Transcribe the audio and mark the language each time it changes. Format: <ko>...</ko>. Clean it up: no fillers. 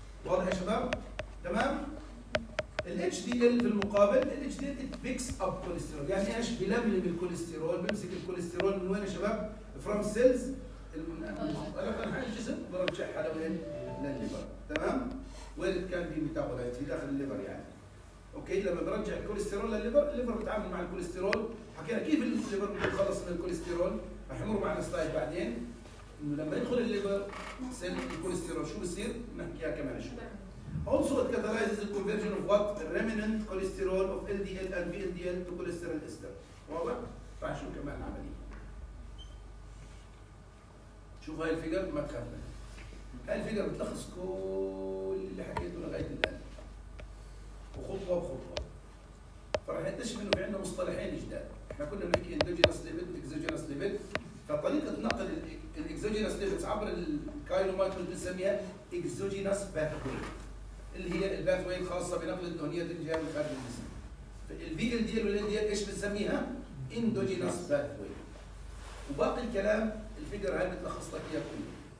<ar>واضح يا شباب؟ تمام؟ ال اتش دي ال في المقابل ال اتش دي ال بيكس اب كوليسترول يعني ايش؟ بلملم الكوليسترول بمسك الكوليسترول من وين يا شباب؟ فروم سيلز المنقل من الجسم برجعها لوين؟ للليفر تمام؟ وين كان في ميتابولايت في داخل الليفر يعني. اوكي لما برجع الكوليسترول للليفر الليفر بتعامل مع الكوليسترول حكينا كيف الليفر بيتخلص من الكوليسترول رح يمر معنا سلايد بعدين انه لما يدخل الليفر سيل الكوليسترول شو بصير؟ نحكيها كمان شوي.</ar> <en>Also it catalyzes the conversion of what remnant cholesterol of LDL and VLDL to cholesterol ester.</en> <ar>واضح؟ تعال شوف كمان العملية. شوف هاي الفيجر ما تخاف منها. هاي الفيجر بتلخص كل اللي حكيته لغاية الآن. وخطوة بخطوة. فراح نكتشف إنه في عندنا مصطلحين جداد. إحنا كنا بنحكي endogenous lipids, exogenous lipids. فطريقة نقل الإكزوجينس lipids عبر الكايلومايكرو بنسميها exogenous pathway. اللي هي الباثوي الخاصه بنقل الدهنيات الجايه من خارج الجسم. الفي ال دي ال والال دي ال ايش بنسميها؟ اندوجينس باثوي. وباقي الكلام الفيجر هاي بتلخص لك اياه كله.</ar>